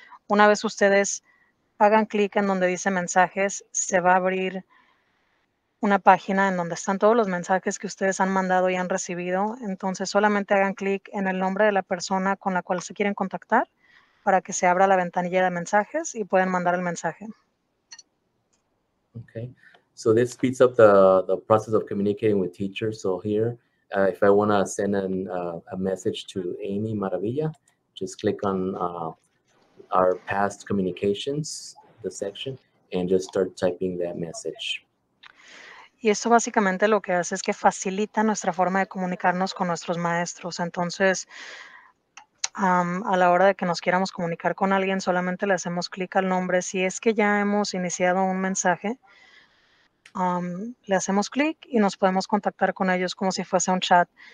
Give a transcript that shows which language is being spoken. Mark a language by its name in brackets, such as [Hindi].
[Spanish] Una vez ustedes hagan clic en donde dice mensajes, se va a abrir una página en donde están todos los mensajes que ustedes han mandado y han recibido. Entonces, solamente hagan clic en el nombre de la persona con la cual se quieren contactar para que se abra la ventanilla de mensajes y pueden mandar el mensaje. [English] Okay. So, this speeds up the process of communicating with teachers. So, here, if I want to send a message to Amy Maravilla, just click on our past communications, the section, and just start typing that message. [Spanish] Y esto básicamente lo que hace es que facilita nuestra forma de comunicarnos con nuestros maestros. Entonces, a la hora de que nos quieramos comunicar con alguien, solamente le hacemos clic al nombre. Si es que ya hemos iniciado un mensaje, le hacemos clic y nos podemos contactar con ellos como si fuese un chat.